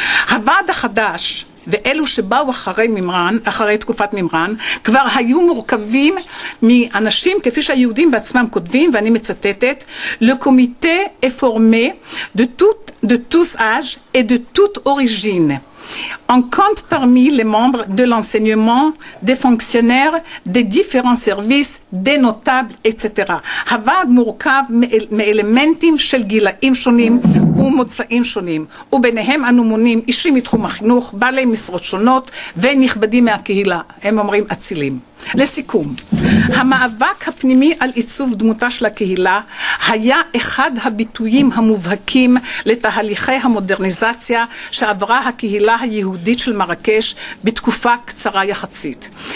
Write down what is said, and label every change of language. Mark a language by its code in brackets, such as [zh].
[he] הוועד החדש ואלו שבאו אחרי ממרן, אחרי תקופת ממרן, כבר היו מורכבים מאנשים, כפי שהיהודים בעצמם כותבים, ואני מצטטת, [fr] le comité est formé de tout de tous âges et de toute origine. On compte parmi les membres de l'enseignement, des fonctionnaires, des différents services, des notables, etc. [he] הוועד מורכב מאלמנטים של גילאים שונים ומוצאים שונים, וביניהם אנו מונים אישים מתחום החינוך, בעלי משרות שונות ונכבדים מהקהילה, הם אומרים אצילים. לסיכום, המאבק הפנימי על עיצוב דמותה של הקהילה היה אחד הביטויים המובהקים לתהליכי המודרניזציה שעברה הקהילה היהודית של מרקש בתקופה קצרה יחסית.